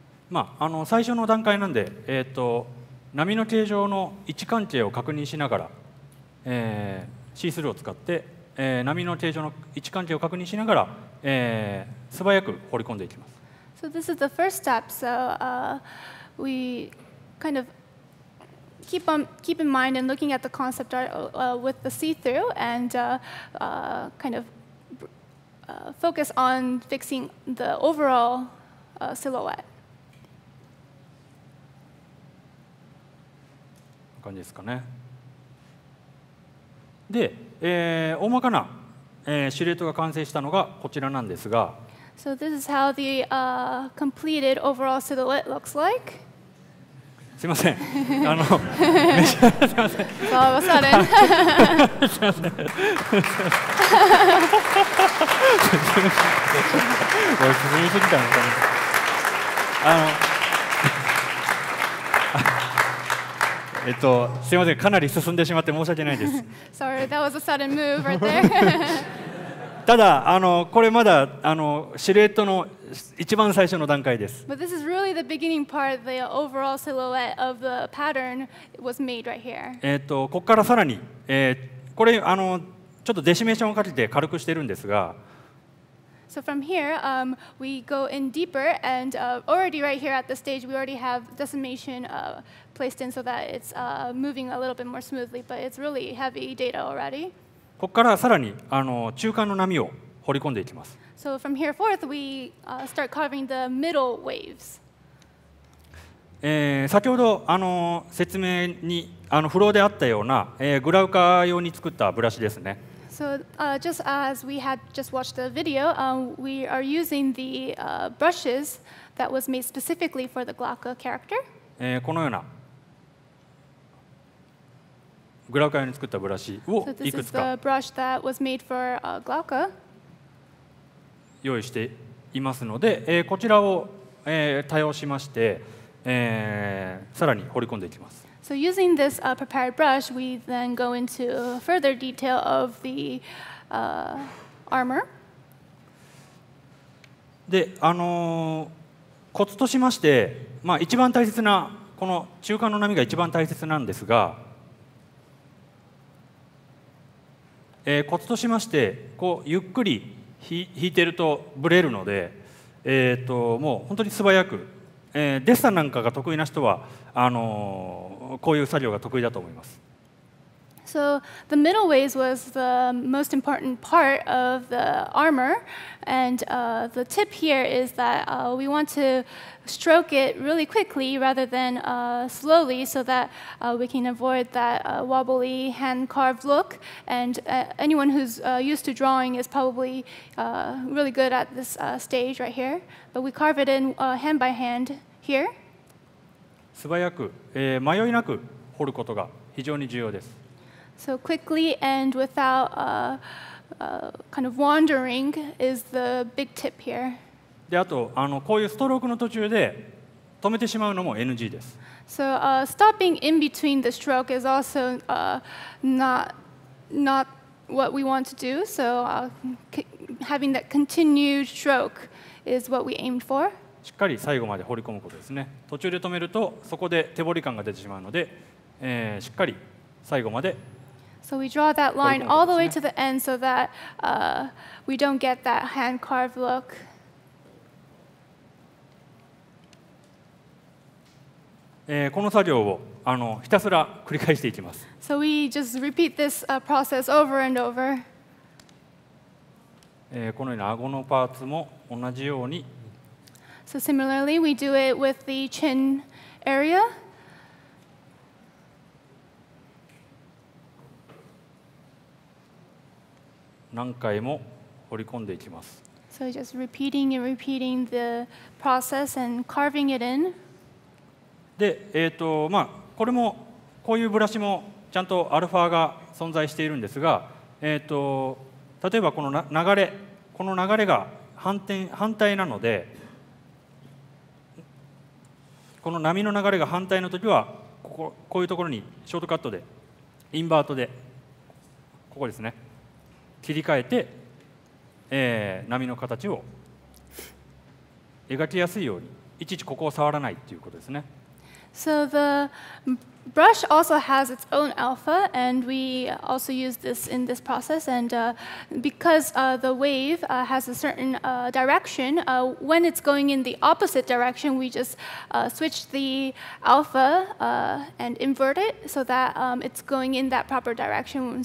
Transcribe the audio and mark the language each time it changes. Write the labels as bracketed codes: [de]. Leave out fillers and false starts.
[ja] まあ、最初の段階なんで、波の形状の位置関係を確認しながら。シースルーを使って、波の形状の位置関係を確認しながら、素早く彫り込んでいきます。 [en] So this is the first step. So we kind of keep in mind and looking at the concept art with the see-through and kind of focus on fixing the overall silhouette. [ja] こんな感じですかね。で、大まかな、シルエットが完成したのがこちらなんですが、 [en] So this is how the completed overall silhouette looks like. [ja] すいません。あの、すいません。そう、それ。すいません。これ進みすぎたのかな。あの、すいません。かなり進んでしまって申し訳ないです。 [en] Sorry, that was a sudden move right there. [ja] ただ、あの、これまだあのシルエットの一番最初の段階です。 [en] But this is really the beginning part. The overall silhouette of the pattern was made right here. [ja] ここからさらに、これあのちょっとデシメーションをかけて軽くしてるんですが。 [en] So from here, we go in deeper, and already right here at the stage, we already have decimation placed in so that it's moving a little bit more smoothly. But it's really heavy data already. [ja] ここからさらにあの中間の波を彫り込んでいきます。 [en] So from here forth, we start carving the middle waves. [ja] 先ほどあの説明にあのフローであったような、グラウカ用に作ったブラシですね。 [en] So just as we had just watched the video, we are using the brushes that was made specifically for the Glauca character. [ja] このようなグラウカ用に作ったブラシをいくつか。 [en] So this is the brush that was made for Glauca. [ja] 用意していますので、こちらを、多用しまして、さらに彫り込んでいきます。 [en] So using this prepared brush, we then go into further detail of the armor. [ja] で、コツとしまして、まあ一番大切なこの中間の波が一番大切なんですが、コツとしましてこうゆっくり引いてるとブレるので、もう本当に素早く、デッサンなんかが得意な人はこういう作業が得意だと思います。 [en] So the middle waves was the most important part of the armor, and the tip here is that we want to stroke it really quickly rather than slowly, so that we can avoid that wobbly hand-carved look. And anyone who's used to drawing is probably really good at this stage right here. But we carve it in hand by hand here. [ja] 素早く、迷いなく彫ることが非常に重要です。 [en] So quickly and without kind of wandering is the big tip here. [ja] で、あと、あの、こういうストロークの途中で止めてしまうのも NG です。 [en] So stopping in between the stroke is also not what we want to do. So having that continued stroke is what we aimed for. [ja] しっかり最後まで彫り込むことですね。途中で止めるとそこで手彫り感が出てしまうので、しっかり最後まで。 [en] So we draw that line all the way to the end so that we don't get that hand-carved look. [ja] この作業をあのひたすら繰り返していきます。 [en] So we just repeat this process over and over. [ja] このような顎のパーツも同じように。 [en] So similarly, we do it with the chin area. [ja] 何回も彫り込んでいきます。 [en] So just repeating and repeating the process and carving it in. [ja] で、まあこれもこういうブラシもちゃんとアルファが存在しているんですが、例えばこの流れ、この流れが反対なので、この波の流れが反対の時はこういうところにショートカットでインバートでここですね。切り替えて、波の形を描きやすいようにいちいちここを触らないということですね。 [en] So the brush also has its own alpha, and we also use this in this process. And because the wave has a certain direction, when it's going in the opposite direction, we just switch the alpha and invert it so that it's going in that proper direction.